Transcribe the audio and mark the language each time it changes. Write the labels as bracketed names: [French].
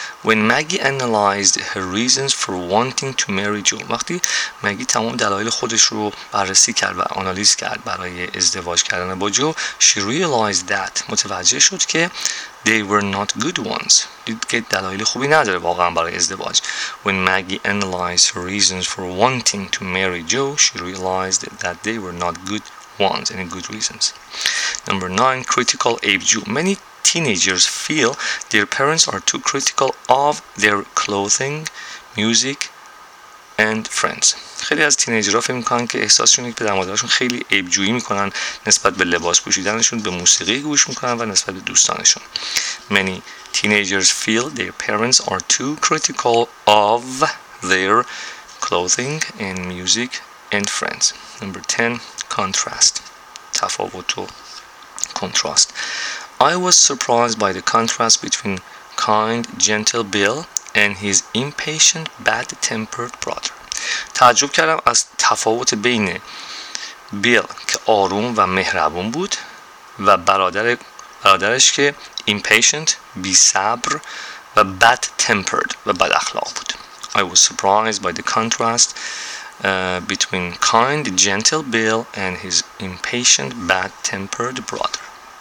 [English] When Maggie analyzed her reasons for wanting to marry Joe. [Persian] وقتی Maggie تمام دلایل خودش رو بررسی کرد و آنالیز کرد برای ازدواج کردن با جو. [English] She realized that. [Persian] متوجه شد که [English] they were not good ones. [Persian] دید که دلایل خوبی نداره واقعا برای ازدواج. [English] When Maggie analyzed her reasons for wanting to marry Joe. She realized that they were not good ones. Any good reasons. Number 9. Critical age Joe. Many teenagers feel their parents are too critical of their clothing, music, and friends. [Persian] خیلی از تینیجرها فکر میکنن که احساسشون که پدر مادرشون خیلی عیب جویی میکنن نسبت به لباس پوشیدنشون، به موسیقی گوش میکنن و نسبت به دوستانشون. [English] Many teenagers feel their parents are too critical of their clothing and music and friends. Number 10, contrast. [Persian] تفاوت و [English] contrast. I was surprised by the contrast between kind, gentle Bill and his impatient, bad-tempered brother. [Persian] تعجب کردم از تفاوت بین بیل که آروم و مهربون بود و برادرش که impatient, بی‌صبر و bad-tempered و بداخلاق بود. [English] I was surprised by the contrast between kind, gentle Bill and his impatient, bad-tempered brother.